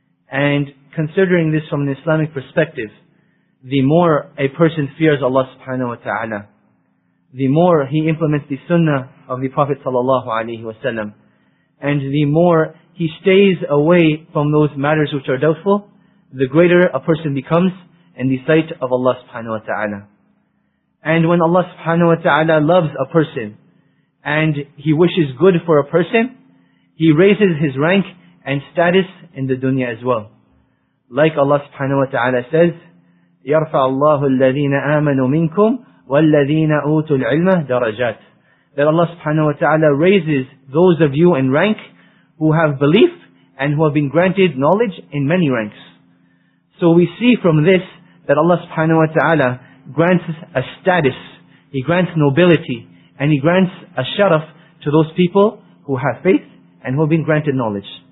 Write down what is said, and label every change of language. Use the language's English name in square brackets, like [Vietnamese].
[English] And considering this from an Islamic perspective, the more a person fears Allah subhanahu wa ta'ala, the more he implements the sunnah of the Prophet sallallahu alaihi wasallam, and the more he stays away from those matters which are doubtful, the greater a person becomes in the sight of Allah subhanahu wa ta'ala. And when Allah subhanahu wa ta'ala loves a person and he wishes good for a person, he raises his rank and status in the dunya as well. Like Allah subhanahu wa ta'ala says, [Arabic] يرفع الله الذين آمنوا منكم والذين أوتوا العلم درجات. [English] That Allah subhanahu wa ta'ala raises those of you in rank who have belief and who have been granted knowledge in many ranks. So we see from this that Allah subhanahu wa ta'ala grants a status, He grants nobility, and He grants a sharaf to those people who have faith and who have been granted knowledge.